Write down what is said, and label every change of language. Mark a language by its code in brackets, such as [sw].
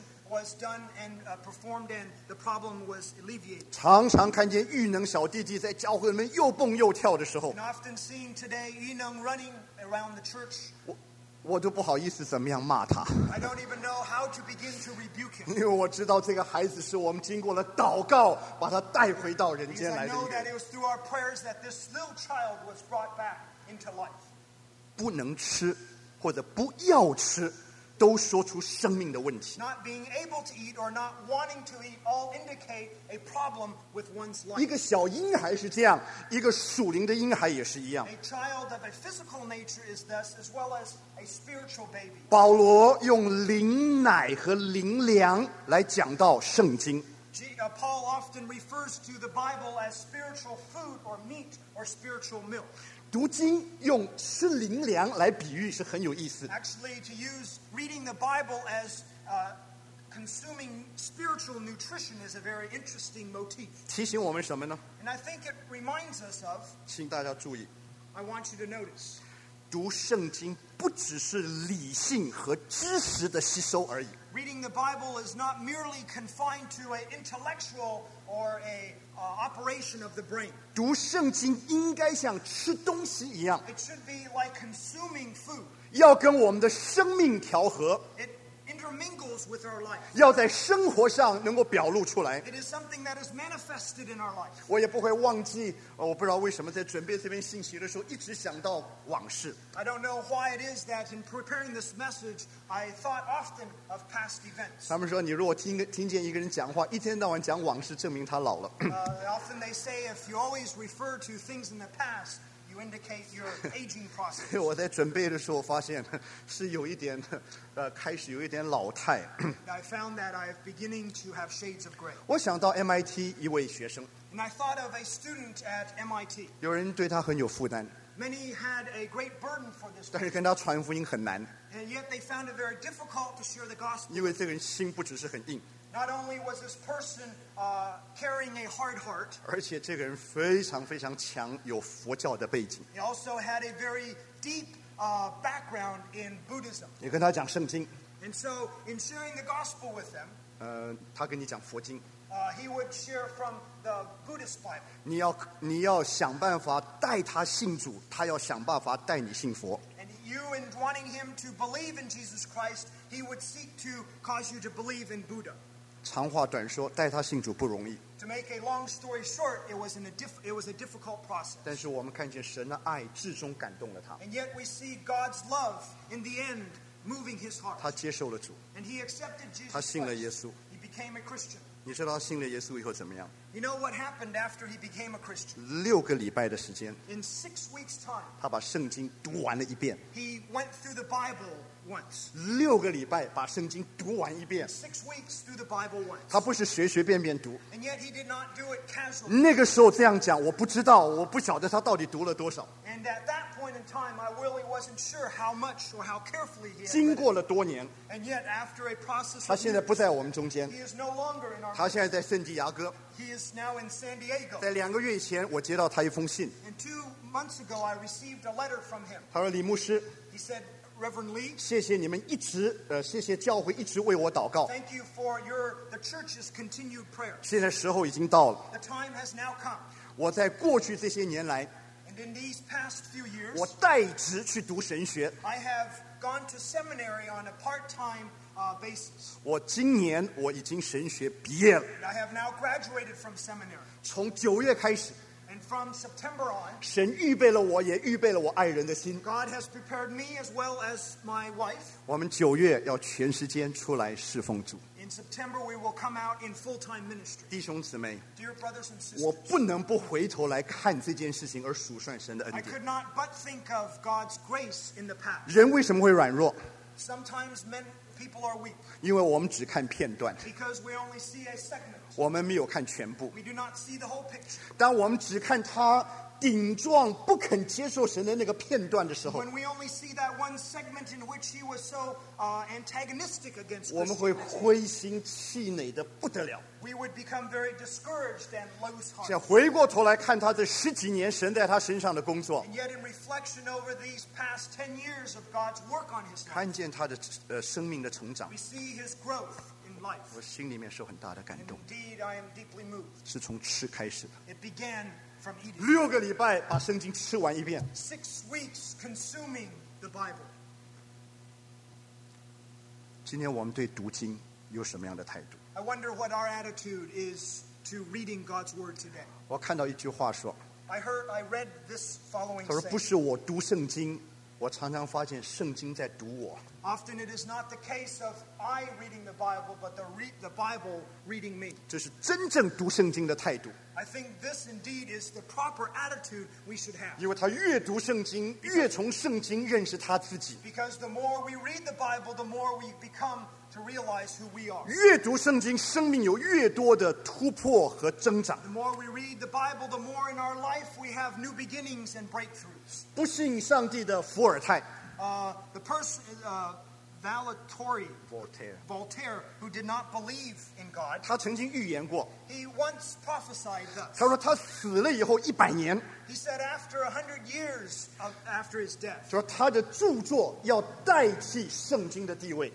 [en] Was done and performed, and the problem was alleviated. [zh] 常常看见玉能小弟弟在教会里面又蹦又跳的时候。 [en] And often seeing today Yu Neng running around the church. [zh] 我都不好意思怎么样骂他。 [en] I don't even know how to begin to rebuke him. [zh] 因为我知道这个孩子是我们经过了祷告把他带回到人间来的。 [en] Because I know that it was through our prayers that this little child was brought back into life. [zh] 不能吃或者不要吃。都说出生命的问题。 [en] Not being able to eat or not wanting to eat all indicate a problem with one's life. [zh] 一个小婴孩是这样，一个属灵的婴孩也是一样。 [en] A child of a physical nature is thus, as well as a spiritual baby. [zh] 保罗用灵奶和灵粮来讲到圣经。 [en] Paul often refers to the Bible as spiritual food or meat or spiritual milk. [zh] 读经用吃灵粮来比喻是很有意思。 [en] Actually, to use reading the Bible as consuming spiritual nutrition is a very interesting motif. [zh] 提醒我们什么呢？ [en] And I think it reminds us of. [zh] 请大家注意。 [en] I want you to notice. [zh] 读圣经不只是理性和知识的吸收而已。 [en] Reading the Bible is not merely confined to an intellectual or a operation of the brain. [zh] 读圣经应该像吃东西一样。 [en] It should be like consuming food. [zh] 要跟我们的生命调和。 [en] It intermingles with our life. [zh] 要在生活上能够表露出来。 [en] It is something that is manifested in our life. [zh] 我也不会忘记，我不知道为什么在准备这篇信息的时候一直想到往事。 [en] I don't know why it is that in preparing this message, I thought often of past events. [zh] 他们说你如果听见一个人讲话，一天到晚讲往事，证明他老了。 [en] Often they say if you always refer to things in the past, you indicate your aging process. [zh] 我在准备的时候发现是有一点开始有一点老态。 [en] I found that I have beginning to have shades of gray. [zh] 我想到 MIT 一位学生。 [en] And I thought of a student at MIT. [zh] 有人对他很有负担。 [en] Many had a great burden for this. [zh] 但是跟他传福音很难。 [en] And yet they found it very difficult to share the gospel. [zh] 因为这个人心不只是很硬。 [en] Not only was this person carrying a hard heart, [zh] 而且这个人非常非常强，有佛教的背景。 [en] He also had a very deep background in Buddhism. [zh] 你跟他讲圣经。 [en] And so, in sharing the gospel with them, [zh] 他跟你讲佛经。 [en] He would share from the Buddhist Bible. [zh] 你要想办法带他信主，他要想办法带你信佛。 [en] And you, in wanting him to believe in Jesus Christ, he would seek to cause you to believe in Buddha. [zh] 长话短说，带他信主不容易。 [en] To make a long story short, it was a difficult process. [zh] 但是我们看见神的爱至终感动了他。 [en] And yet we see God's love in the end moving his heart. [zh] 他接受了主。 [en] And he accepted Jesus. [zh] 他信了耶稣。 [en] He became a Christian. [zh] 你知道他信了耶稣以后怎么样？ [en] You know what happened after he became a Christian? [zh] 六个礼拜的时间。 [en] In 6 weeks time. [zh] 他把圣经读完了一遍。 [en] He went through the Bible. Once. [zh] 六个礼拜把圣经读完一遍。 [en] Six weeks through the Bible once. [zh] 他不是随随便便读。 [en] And yet he did not do it casually. [zh] 那个时候这样讲，我不知道，我不晓得他到底读了多少。 [en] And at that point in time, I really wasn't sure how much or how carefully he. [zh] 经过了多年。 [en] And yet after a process. [zh] 他现在不在我们中间。 [en] He is no longer in our. [zh] 他现在在圣地亚哥。 [en] He is now in San Diego. [zh] 在两个月以前，我接到他一封信。 [en] And 2 months ago, I received a letter from him. [zh] 他说李牧师。 [en] He said. Reverend Lee, [zh] 谢谢你们一直谢谢教会一直为我祷告。 [en] Thank you for the church's continued prayer. [zh] 现在时候已经到了。 [en] The time has now come. [zh] 我在过去这些年来， [en] And in these past few years, [zh] 我代职去读神学。 [en] I have gone to seminary on a part-time basis. [zh] 我今年我已经神学毕业了。 [en] I have now graduated from seminary. [zh] 从九月开始。 [en] And from September on, [zh] 神预备了我，也预备了我爱人的心。 [en] God has prepared me as well as my wife. [zh] 我们九月要全时间出来侍奉主。 [en] In September, we will come out in full-time ministry. [zh] 弟兄姊妹， [en] dear brothers and sisters, [zh] 我不能不回头来看这件事情而数算神的恩典。 [en] I could not but think of God's grace in the past. [zh] 人为什么会软弱？ [en] Sometimes men. People are weak. [zh] 因为我们只看片段。 [en] Because we only see a segment. [zh] 我们没有看全部。 [en] We do not see the whole picture. [zh] 当我们只看他顶撞不肯接受神的那个片段的时候。 [en] When we only see that one segment in which he was so antagonistic against Christianity. [zh] 我们会灰心气馁的不得了。 [en] We would become very discouraged and low-hearted. [zh] 想回过头来看他这十几年神在他身上的工作。 [en] And yet in reflection over these past 10 years of God's work on his life. [zh] 看见他的生命的成长。 [en] We see his growth in life. [zh] 我心里面受很大的感动。 [en] And indeed, I am deeply moved. [zh] 是从吃开始的。 [en] It began from eating. [zh] 六个礼拜把圣经吃完一遍。 [en] 6 weeks consuming the Bible. [zh] 今天我们对读经有什么样的态度？ [en] I wonder what our attitude is to reading God's word today. [zh] 我看到一句话说。 [en] I read this following. [zh] 他说不是我读圣经，我常常发现圣经在读我。 [en] Often it is not the case of I reading the Bible, but the Bible reading me. [zh] 这是真正读圣经的态度。 [en] I think this indeed is the proper attitude we should have. [zh] 因为他越读圣经，越从圣经认识他自己。 [en] Because the more we read the Bible, the more we become. To realize who we are. [zh] 越读圣经，生命有越多的突破和增长。 [en] The more we read the Bible, the more in our life we have new beginnings and breakthroughs. [zh] 不信上帝的伏尔泰。 [en] The person, Voltaire, who did not believe in God. [zh] 他曾经预言过。 [en] He once prophesied thus. [zh] 他说他死了以后一百年。 [en] He said after 100 years of after his death. [zh] 说他的著作要代替圣经的地位。